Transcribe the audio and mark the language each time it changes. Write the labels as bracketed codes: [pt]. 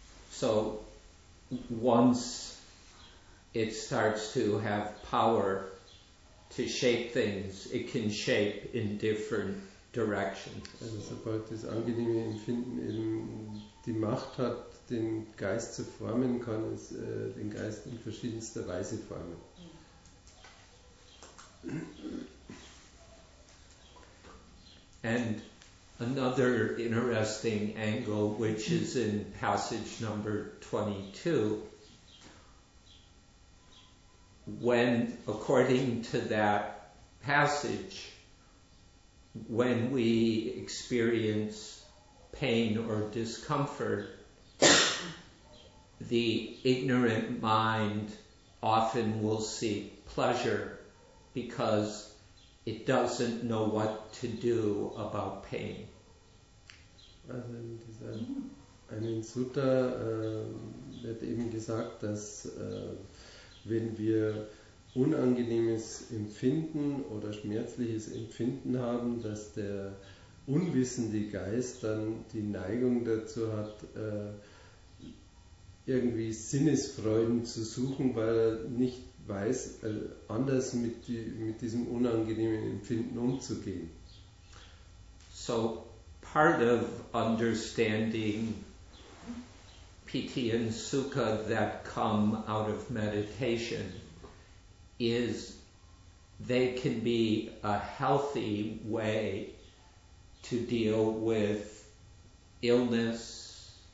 [en] So, once it starts to have power to shape things, it can shape in different directions. [de] Also sobald das angenehme Empfinden eben die Macht hat, den Geist zu formen, kann es den Geist in verschiedenster Weise formen. [en] And another interesting angle, which is in passage number 22, when, according to that passage, when we experience pain or discomfort, the ignorant mind often will seek pleasure because it doesn't know what to do about pain. [de] Also in diesem Sutta wird eben gesagt, dass wenn wir unangenehmes Empfinden oder schmerzliches Empfinden haben, dass der unwissende Geist dann die Neigung dazu hat, irgendwie Sinnesfreuden zu suchen, weil er nicht weiß, anders mit diesem unangenehmen Empfinden umzugehen. [en] So, part of understanding piti and sukha that come out of meditation is they can be a healthy way to deal with illness,